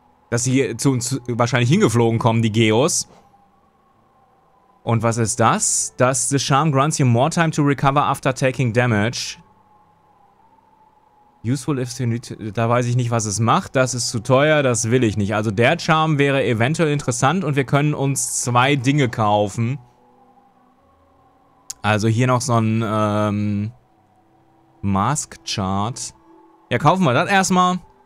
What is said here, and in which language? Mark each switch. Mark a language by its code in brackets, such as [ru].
[de] dass sie hier zu uns wahrscheinlich hingeflogen kommen, die Geos. Und was ist das? [en] Das the Charm grants you more time to recover after taking damage. Useful if you need to, [de] da weiß ich nicht, was es macht. Das ist zu teuer, das will ich nicht. Also der Charm wäre eventuell interessant und wir können uns zwei Dinge kaufen. Also hier noch so ein Mask Chart. Ja, kaufen wir das erstmal.